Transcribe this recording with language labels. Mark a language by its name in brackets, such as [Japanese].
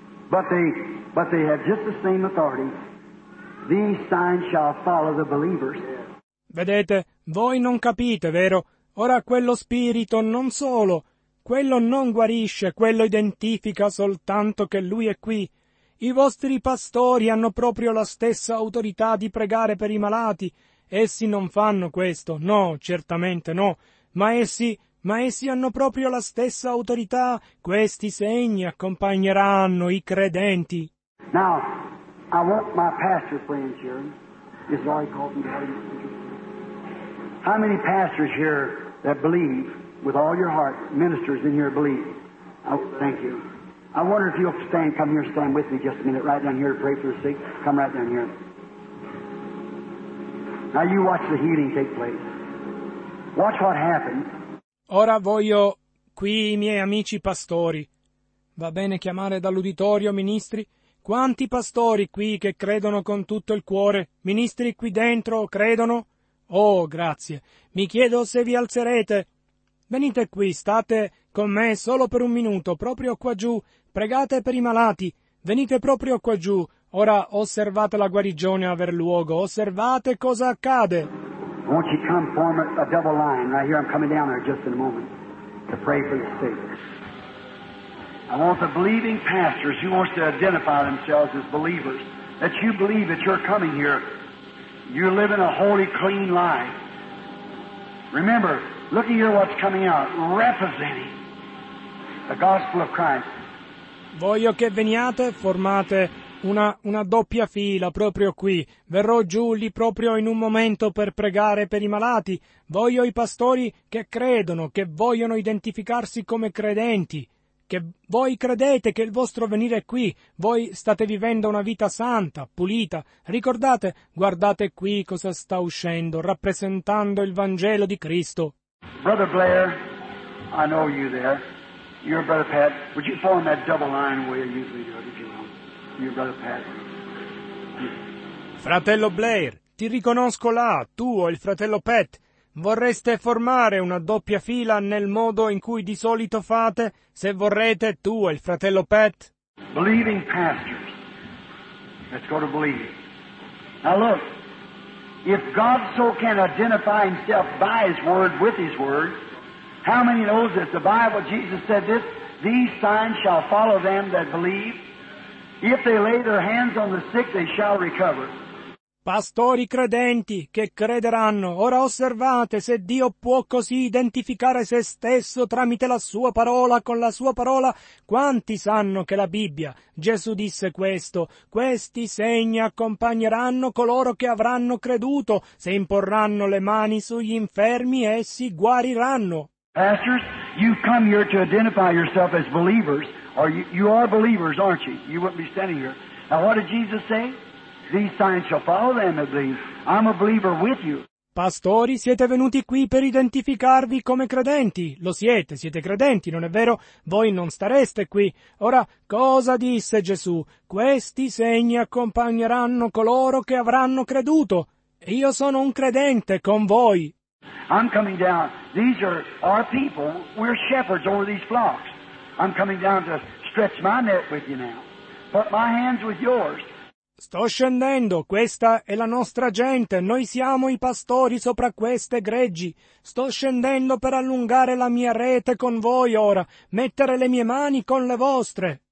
[English] But they have just the same authority. These signs shall follow the believers. [Italian] Vedete, voi non capite, vero? Ora quello spirito non solo, quello non guarisce, quello identifica soltanto che lui è qui. I vostri pastori hanno proprio la stessa autorità di pregare per i malati. Essi non fanno questo, no, certamente no. Ma essi hanno proprio la stessa autorità. Questi segni accompagneranno i credenti. [English] Now, I want my pastor friends here. This is why he called me. How many pastors here that believe with all your heart, ministers in here believe? Oh, thank you. I wonder if you'll stand, come here, stand with me just a minute, right down here to pray for the sick. Come right down here. Now you watch the healing take place. Watch what happens. [Italian] Ora voglio qui i miei amici pastori. Va bene chiamare dall'uditorio, ministri? Quanti pastori qui che credono con tutto il cuore? Ministri qui dentro, credono? Oh, grazie. Mi chiedo se vi alzerete. Venite qui, state con me solo per un minuto, proprio qua giù. Pregate per i malati. Venite proprio qua giù. Ora osservate la guarigione aver luogo, osservate cosa accade. [English] Won't you come form a double line right here? I'm coming down there just in a moment to pray for the sick. I want the believing pastors who wants to identify themselves as believers, that you believe that you're coming here. You're living a holy, clean life. Remember, look here what's coming out, representing the gospel of Christ. [Italian] Voglio che veniate, formate una doppia fila proprio qui. Verrò giù lì proprio in un momento per pregare per i malati. Voglio i pastori che credono, che vogliono identificarsi come credenti. Che voi credete che il vostro venire è qui, voi state vivendo una vita santa, pulita. Ricordate, guardate qui cosa sta uscendo, rappresentando il Vangelo di Cristo. [English] Brother Blair, I know you there. You're Brother Pat. Would you form that double line where you usually do it, if you will? You're Brother Pat. [Italian] Fratello Blair, ti riconosco là, tu o il fratello Pat. Vorreste formare una doppia fila nel modo in cui di solito fate, se vorrete, tu e il fratello Pat? [English] Believing pastors. Let's go to believe. Now look, if God so can identify himself by his word with his word, how many knows this? The Bible, Jesus said this, these signs shall follow them that believe. If they lay their hands on the sick, they shall recover. [Italian] Pastori credenti che crederanno, ora osservate se Dio può così identificare se stesso tramite la sua parola, con la sua parola, quanti sanno che la Bibbia, Gesù disse questo, questi segni accompagneranno coloro che avranno creduto, se imporranno le mani sugli infermi essi guariranno. [English] Pastors, you've come here to identify yourself as believers, or you are believers, aren't you? You wouldn't be standing here. Now what did Jesus say? These signs shall follow them that believe. I'm a believer with you. [Italian] Pastori, siete venuti qui per identificarvi come credenti. Lo siete, siete credenti, non è vero? Voi non stareste qui. Ora, cosa disse Gesù? Questi segni accompagneranno coloro che avranno creduto. Io sono un credente con voi. [English] I'm coming down. These are our people. We're shepherds over these flocks. I'm coming down to stretch my net with you now. Put my hands with yours. [Italian] Sto scendendo, questa è la nostra gente, noi siamo i pastori sopra queste greggi. Sto scendendo per allungare la mia rete con voi ora, mettere le mie mani con le vostre.